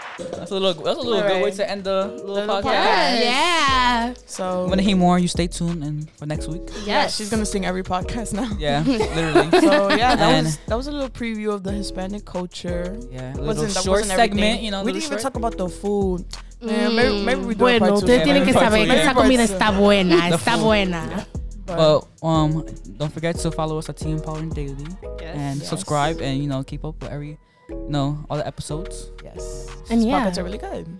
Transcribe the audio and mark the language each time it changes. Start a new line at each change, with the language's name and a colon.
English: That's a little good way to end the little podcast. Yeah. So I'm gonna hear more. You stay tuned and for next week. Yeah, she's gonna sing every podcast now. Yeah, literally. So yeah, that was a little preview of the Hispanic culture. Yeah, a little short segment. You know, we didn't even talk about the food. Maybe we do.
Spanish: Bueno, ustedes tienen que saber que esa comida está buena. Está buena.
English: But don't forget to follow us at Team Empowering Daily and subscribe and you know keep up with every. No, all the episodes. Yes. And pockets are really good.